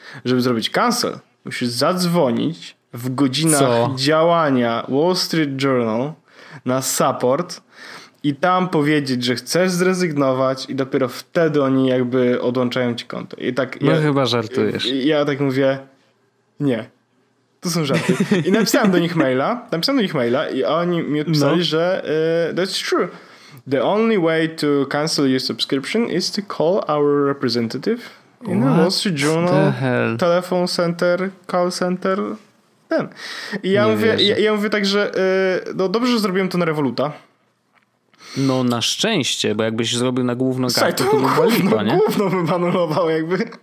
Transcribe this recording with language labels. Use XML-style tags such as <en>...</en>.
<pl>Żeby zrobić cancel, musisz zadzwonić w godzinach działania Wall Street Journal na support i tam powiedzieć, że chcesz zrezygnować i dopiero wtedy oni jakby odłączają ci konto. I tak no ja, chyba żartujesz. Ja tak mówię, nie. To są żarty. I napisałem do nich maila, i oni mi odpisali, że</pl> <en>that's true. The only way to cancel your subscription is to call our representative in the Wall Street Journal telephone center, call center.</en> <pl>Ten. I ja mówię, także no dobrze, że zrobiłem to na Revoluta. No na szczęście, bo jakbyś zrobił na główną kartę, to by było lipa, nie? Główną bym anulował jakby.</pl>